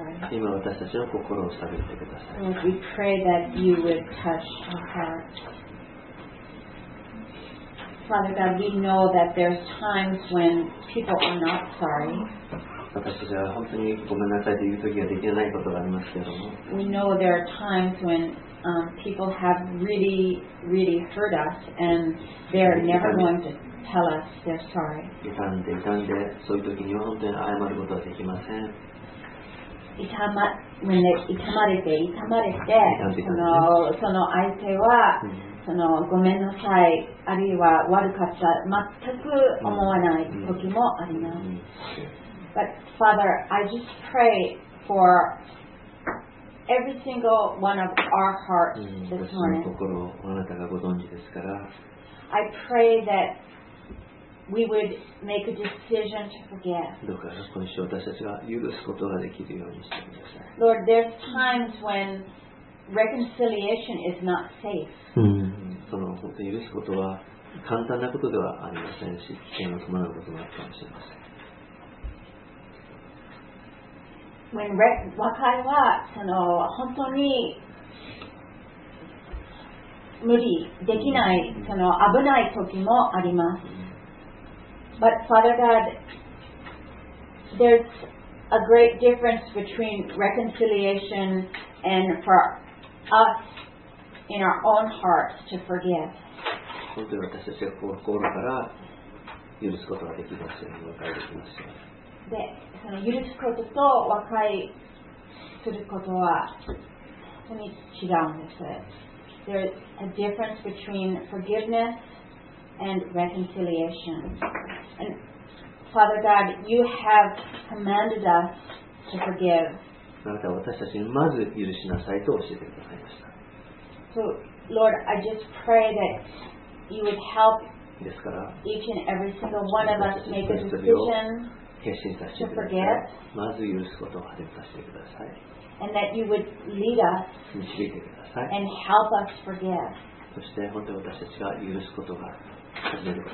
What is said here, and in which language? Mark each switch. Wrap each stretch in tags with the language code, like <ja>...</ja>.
<ja>今私たちの心を探ってください。</ja> <en>We pray that you would touch our hearts. Father God, we know that there's times when people are not sorry.</en> <ja>私たちは本当にごめんなさいという時ができないことがありますけれども。</ja> <en>We know there are times when people have really, really hurt us and they are never going to tell us they're sorry.</en> <ja>痛んで、そういう時には本当に謝ることはできません。痛まれて、その相手は、ごめんなさい、あるいは悪かった、全く思わない時もあります。</ja> <en>But Father, I just pray for every single one of our hearts this morning.</en> <ja>私の心をあなたがご存知ですから。</ja> <en>I pray that we would make a decision to forgive.</en> <ja>どうか今週私たちが許すことができるようにしてください。</ja> <en>Lord, there's times when reconciliation is not safe.</en> <ja>その本当に許すことは簡単なことではありませんし、危険を伴うこともあるかもしれません。 When 和解はその本当に無理できない、その危ない時もあります。</ja> <en>But Father God, there's a great difference between reconciliation and for us in our own hearts to forgive.</en> <ja>本当に私たちが心から許すことができますよ、和解できますよ。で、その許すことと和解することは本当に違うんです。</ja> <en>There's a difference between forgiveness and reconciliation. And Father God, you have commanded us to forgive.</en> <ja>あなたは私たちにまず許しなさいと教えてくださいました。</ja> <en>So, Lord, I just pray thatYou would help each and every single one of us make a decision to forgive. And that you would lead us and help us forgive.</en>